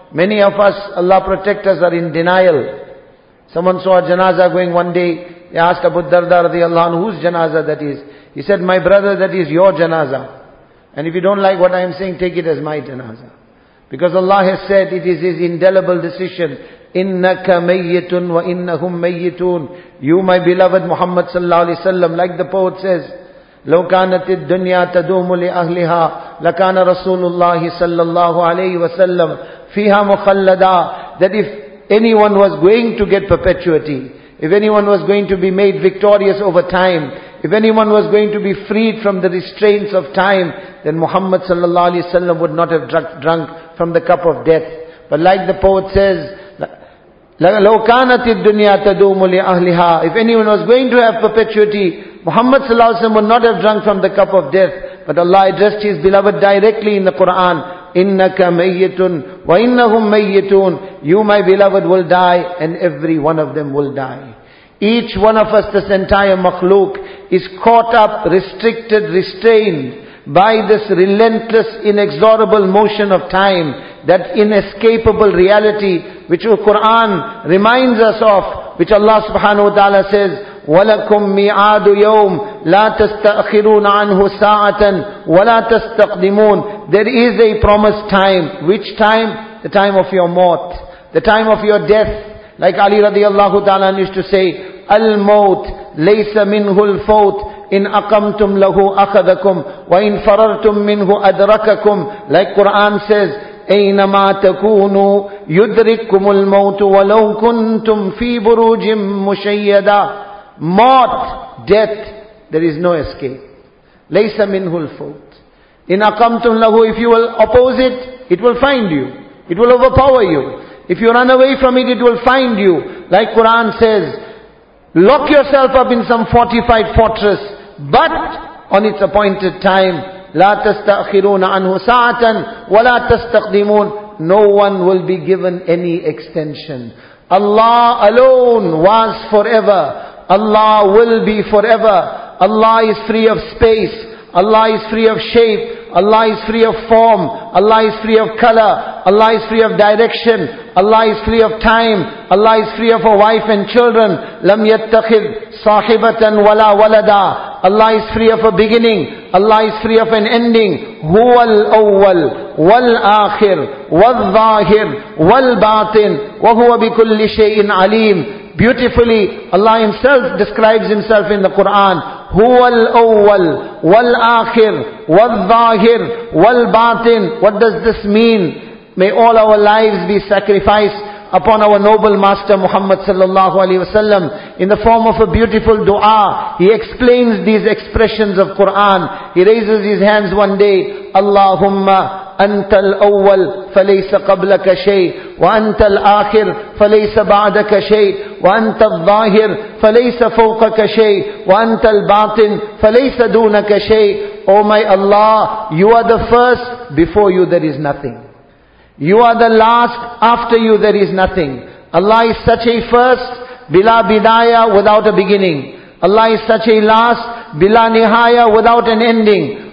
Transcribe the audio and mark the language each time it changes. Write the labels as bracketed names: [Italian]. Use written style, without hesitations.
[English] Many of us, Allah protect us, are in denial. Someone saw a janazah going one day. They asked Abu Darda radiallahu anhu, whose janazah that is? He said, my brother, that is your janazah. And if you don't like what I am saying, take it as my janazah. Because Allah has said, it is His indelible decision. [Arabic] Innaka mayyitun wa innahum mayyitun. [English] You, my beloved Muhammad sallallahu alaihi wasallam, like the poet says, [Arabic] لو كانت الدنيا تدوم لأهلها لكان رسول الله صلى الله عليه وسلم فيها مخلدا. [English] That if anyone was going to get perpetuity, if anyone was going to be made victorious over time, if anyone was going to be freed from the restraints of time, then Muhammad صلى الله عليه وسلم would not have drunk from the cup of death. But like the poet says, [Arabic] لو كانت الدنيا تدوم لأهلها, [English] if anyone was going to have perpetuity, Muhammad sallallahu alaihi wasallam would not have drunk from the cup of death. But Allah addressed His beloved directly in the Quran. [Arabic] Innaka mayyitun wa innahum mayyitun. [English] You, my beloved, will die, and every one of them will die. Each one of us, this entire makhluk, is caught up, restricted, restrained by this relentless, inexorable motion of time, that inescapable reality which the Quran reminds us of, which Allah subhanahu wa ta'ala says, [Arabic] وَلَكُمْ مِعَادُ يَوْمٍ لَا تَسْتَأْخِرُونَ عَنْهُ سَاعَةً وَلَا تَسْتَقْدِمُونَ. [English] There is a promised time. Which time? The time of your maut. The time of your death. Like Ali radiallahu ta'ala used to say, [Arabic] الموت ليس منه الفوت إن أقمتم له أخذكم وإن فررتم منه أدرككم. [English] Like Quran says, [Arabic] أَيْنَمَا تَكُونُوا يُدْرِكُمُ الْمَوْتُ وَلَوْ كُنْتُمْ فِي بُرُوجٍ مُشَيَّدًا. [English] Mort, death, there is no escape. [Arabic] Laysa minhul fawt. In akamtum lahu, [English] if you will oppose it, it will find you. It will overpower you. If you run away from it, it will find you. Like Quran says, lock yourself up in some fortified fortress, but on its appointed time, [Arabic] la tastakhiruna anhu sa'atan wa la tastaqdimun. [English] No one will be given any extension. Allah alone was forever. Allah will be forever. Allah is free of space. Allah is free of shape. Allah is free of form. Allah is free of color. Allah is free of direction. Allah is free of time. Allah is free of a wife and children. [Arabic] لم يتخذ صاحبة ولا ولدا. [English] Allah is free of a beginning. Allah is free of an ending. [Arabic] هو الأول والآخر والظاهر والباطن وهو بكل شيء عليم. [English] Beautifully, Allah Himself describes Himself in the Quran. [Arabic] هو الأول والآخر والظاهر والباطن. [English] What does this mean? May all our lives be sacrificed upon our noble master Muhammad sallallahu alaihi wasallam. In the form of a beautiful dua, he explains these expressions of Quran. He raises his hands one day. [Arabic] Allahumma أنت الأول فليس قبلك شيء وأنت الآخر فليس بعدك شيء وأنت الظاهر فليس فوقك شيء وأنت الباطن فليس دونك شيء. [English] Oh my Allah, you are the first, before you there is nothing. You are the last, after you there is nothing. Allah is such a first, bila bidaya, without a beginning. Allah is such a last, bila nihaya, without an ending.